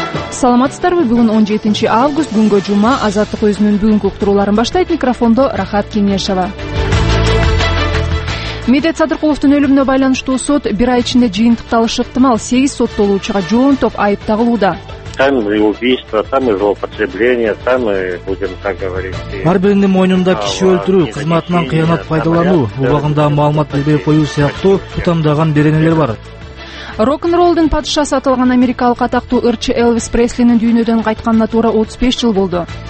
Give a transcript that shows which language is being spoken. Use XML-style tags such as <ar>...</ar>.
<ky>Саламатсыздарбы? Бүгүн 17 август, күнгө жума. Азаттык өзүнүн бүгүнкү уктурууларын баштайт. Микрофондо Рахат Кеңешова. Медет Садыркуловдун өлүмүнө байланыштуу сот бир ай ичинде жыйынтыкталышы ыктымал. 8 соттолуучуга 19 айып тагылууда.</ky> <ru>Там и убийство, там и злоупотребление, там и будем так говорить.</ru> <ky>Ар биринин мойнунда киши өлтүрүү, кызматынан кыянат пайдалануу, убагында маалымат билбей коюу сыяктуу тутамдаган беренелер бар. Рок-н-роллдун падышасы аталган америкалык атактуу ырчы Элвис Преслинин дүйнөдөн кайтканына туура 35 жыл болду.</ky>